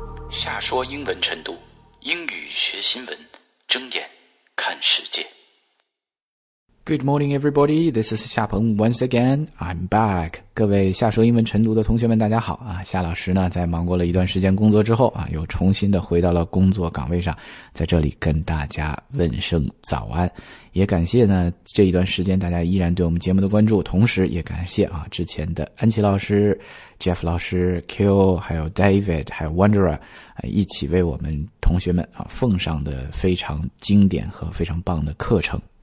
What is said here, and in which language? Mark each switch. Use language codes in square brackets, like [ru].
[zh] 瞎说英文晨读，英语学新闻，睁眼看世界。 [en] Good morning, everybody. This is 夏鹏 once again. I'm back. [zh] 各位瞎说英文晨读的同学们，大家好啊！夏老师呢，在忙过了一段时间工作之后啊，又重新的回到了工作岗位上，在这里跟大家问声早安。也感谢呢这一段时间大家依然对我们节目的关注，同时也感谢啊之前的安琪老师、Jeff 老师、Q 还有 David 还有 Wanderer 一起为我们同学们啊奉上的非常经典和非常棒的课程。